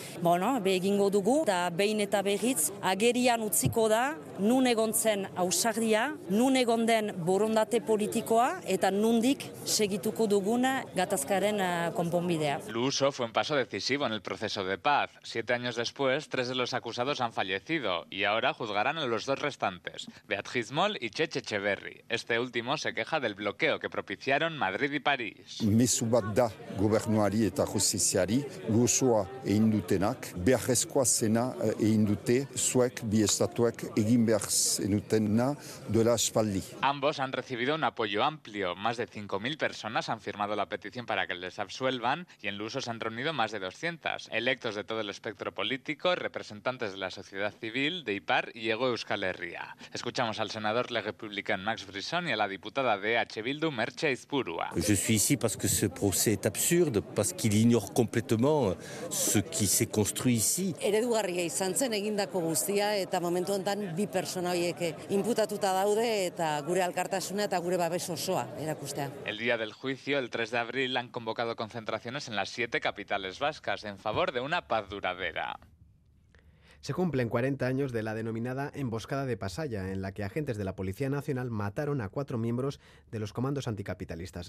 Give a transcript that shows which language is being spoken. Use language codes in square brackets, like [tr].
[eu] Bueno, egingo dugu eta behin eta berriz agerian utziko da nun egontzen ausardia, nun egonden borondate politikoa eta nundik segituko duguna gatazkaren konponbidea. [es] Luuso fue un paso decisivo en el proceso de paz. 7 años después, 3 de los acusados han fallecido y ahora juzgarán a los 2 restantes, Beatriz Moll y Chech Echeverry. Este último se queja del bloqueo que propiciaron Madrid y París. [eu] Mesu bat da gobernuari eta justiziari Luusoa egin dutenak, beharrezkoa zena egin dute zuek bi estatuek egin behar zenutena duela espaldi. [es] Ambos han recibido un apoyo amplio. Más de 5.000 personas han firmado la petición para que les absuelvan y en Luuso se han reunido más de 200 electos de todo el espectro político, representantes de la sociedad civil, de Ipar y Ego Euskal Herria. Escuchamos al senador Le Républicain Max Brisson y a la diputada de EH Bildu Merche Izpurua. [fr] Je suis ici parce que ce procès est absurde, parce qu'il ignore complètement ce qui s'est construit ici. [eu] Eredugarria izan zen egindako guztia eta momentu honetan bi pertsona horiek inputatuta daude eta gure alkartasuna eta gure babes osoa erakustea. [es] El día del juicio el 3 de abril han convocado concentraciones en las 7 capitales vascas en favor de una paz duradera. Se cumplen 40 años de la denominada emboscada de Pasaya, en la que agentes de la Policía Nacional mataron a 4 miembros de los comandos anticapitalistas.